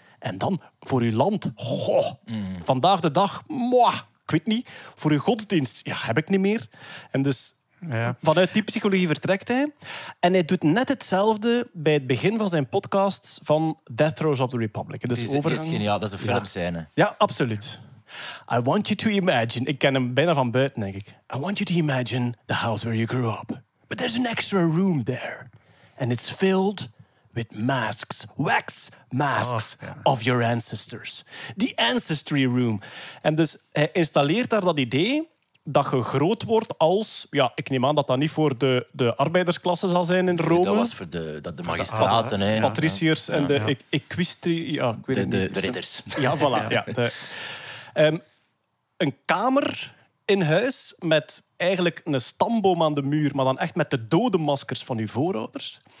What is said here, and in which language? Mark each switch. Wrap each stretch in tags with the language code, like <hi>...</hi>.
<nl>En dan voor uw land. Goh. Mm. Vandaag de dag, ik weet niet. Voor uw godsdienst, heb ik niet meer. En dus vanuit die psychologie vertrekt hij. En hij doet net hetzelfde bij het begin van zijn podcast van Death Throes of the Republic. Dus is geniaal, dat is een filmscène. Ja, absoluut.</nl> <en>I want you to imagine,</en> <nl>ik ken hem bijna van buiten, denk ik.</nl> <en>I want you to imagine the house where you grew up. But there's an extra room there. And it's filled with masks. Wax masks of your ancestors. The ancestry room.</en> <nl>En dus hij installeert daar dat idee dat je groot wordt als, ik neem aan dat dat niet voor de arbeidersklasse zal zijn in Rome. Nee, dat was voor de magistraten. De patriciërs en de equistri. De ridders. Ja, voilà. Ja, een kamer in huis met eigenlijk een stamboom aan de muur, maar dan echt met de dode maskers van uw voorouders.</nl>